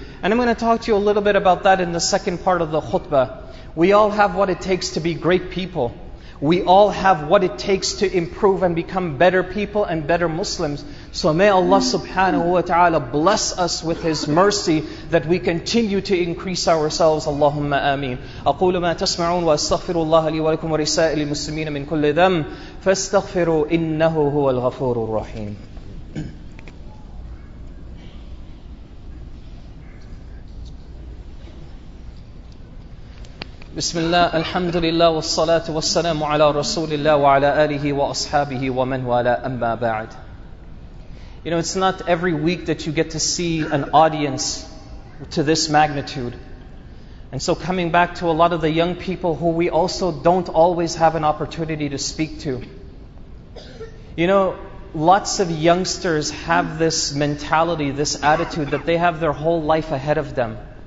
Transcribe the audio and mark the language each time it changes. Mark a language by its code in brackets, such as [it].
[en] And I'm going to talk to you a little bit about that in the second part of the khutbah. We all have what it takes to be great people. We all have what it takes to improve and become better people and better Muslims. So may Allah subhanahu wa ta'ala bless us with His mercy that we continue to increase ourselves. [ar] Allahumma ameen. أقول ما تسمعون وأستغفر الله لي ولكم ورسائل المسلمين من كل ذنب فاستغفروا إنه هو الغفور الرحيم. بسم الله الحمد لله والصلاة والسلام على رسول الله وعلى آله وأصحابه ومن والاه أما بعد. [en] You know, it's not every week that you get to see an audience to this magnitude. And so coming back to a lot of the young people who we also don't always have an opportunity to speak to. You know, lots of youngsters have this mentality, this attitude that they have their whole life ahead of them.